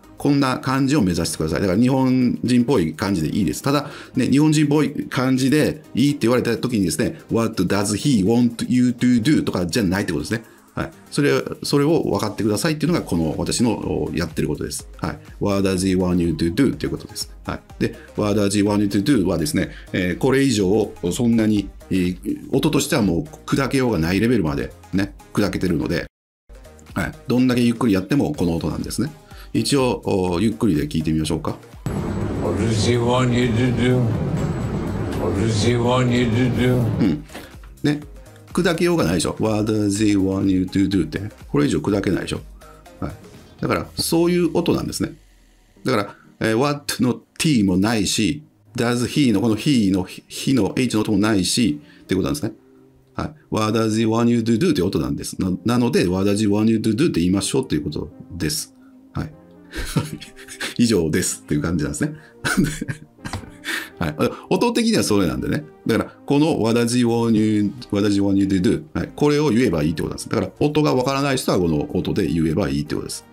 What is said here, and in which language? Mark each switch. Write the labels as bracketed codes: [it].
[ja] こんな感じを目指してください。だから日本人っぽい感じでいいです。ただ、ね、日本人っぽい感じでいいって言われた時にですね、 [en] What does he want you to do? [ja] とかじゃないってことですね。はい。それを分かってくださいっていうのが、この私のやってることです。はい。 [en] What does he want you to do? [ja] っていうことです。はい。 [en] で、What does he want you to do? [ja] はですね、これ以上、そんなに、音としてはもう砕けようがないレベルまでね、砕けてるので、はい。どんだけゆっくりやってもこの音なんですね。一応ゆっくりで聞いてみましょうか。 [en] What does he want you to do? What does he want you to do? [ja] ね、砕けようがないでしょ。 [en] What does he want you to do? [ja] ってこれ以上砕けないでしょ、はい、だからそういう音なんですね。だから、What の T もないし、 Does he のこの He の H の音もないしってことなんですね。はい、 [en] What does he want you to do [ja] って音なんです。なので [en] What does he want you to do [ja] って言いましょうということです。はい以上ですっていう感じなんですね、はい、音的にはそれなんでね。だからこの [en] What does he want you, What does he want you to do、 [ja] はい、これを言えばいいってことなんです。だから音がわからない人はこの音で言えばいいってことです。